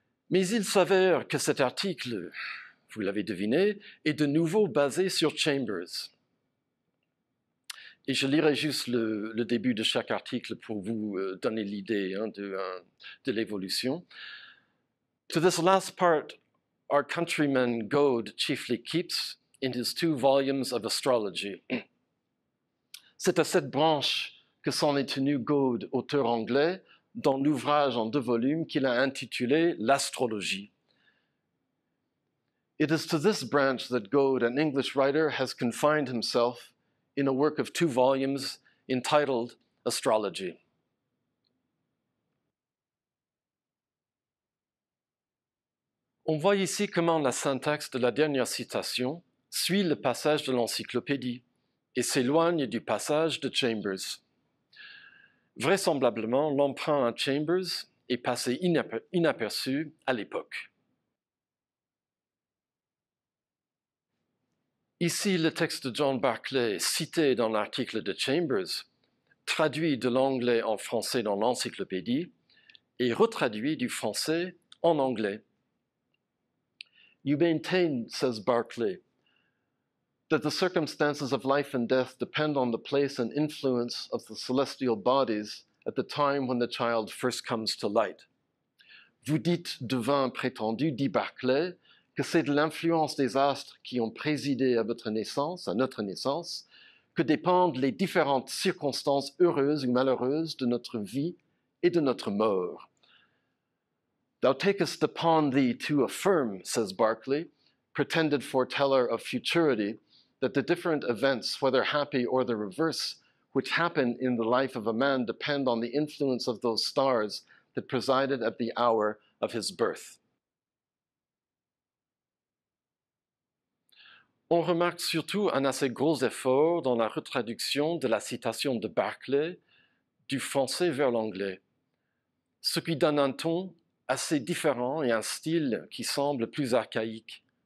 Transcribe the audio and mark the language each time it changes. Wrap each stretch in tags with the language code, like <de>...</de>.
<fr>Mais il s'avère que cet article, vous l'avez deviné, est de nouveau basé sur Chambers. Et je lirai juste le début de chaque article pour vous donner l'idée de l'évolution.</fr> <en>To this last part, our countryman Goad chiefly keeps in his two volumes of astrology.</en> <fr>C'est à cette branche que s'en est tenu Goad, auteur anglais, dans l'ouvrage en deux volumes qu'il a intitulé L'Astrologie.</fr> <en>It is to this branch that Goad, an English writer, has confined himself in a work of two volumes entitled Astrology.</en> <fr>On voit ici comment la syntaxe de la dernière citation suit le passage de l'encyclopédie et s'éloigne du passage de Chambers. Vraisemblablement, l'emprunt à Chambers est passé inaperçu à l'époque. Ici, le texte de John Barclay, cité dans l'article de Chambers, traduit de l'anglais en français dans l'encyclopédie et retraduit du français en anglais.</fr> <en>You maintain, says Barclay, that the circumstances of life and death depend on the place and influence of the celestial bodies at the time when the child first comes to light.</en> <fr>Vous dites, devin prétendu, dit Barclay, que c'est de l'influence des astres qui ont présidé à votre naissance, à notre naissance, que dépendent les différentes circonstances heureuses ou malheureuses de notre vie et de notre mort.</fr> <en>Thou takest upon thee to affirm, says Barclay, pretended foreteller of futurity, that the different events, whether happy or the reverse, which happen in the life of a man depend on the influence of those stars that presided at the hour of his birth.</en> <fr>On remarque surtout un assez gros effort dans la retraduction de la citation de Barclay du français vers l'anglais, ce qui donne un ton assez différent et un style qui semble plus archaïque.</fr>